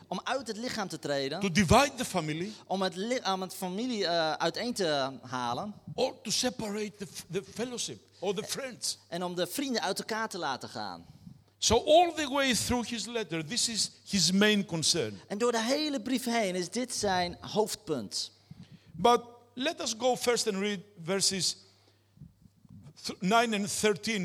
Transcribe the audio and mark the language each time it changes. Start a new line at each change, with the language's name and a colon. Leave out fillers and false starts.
Dutch: Om uit het lichaam te treden.
English: To divide the family.
Dutch: Om het familie uiteen te halen.
English: Or to separate the fellowship. Or the friends.
Dutch: En om de vrienden uit elkaar te laten gaan.
English: So all the way through his letter, this is his main concern.
Dutch: En door de hele brief heen is dit zijn hoofdpunt.
English: But let us go first and read verses 9 and 13.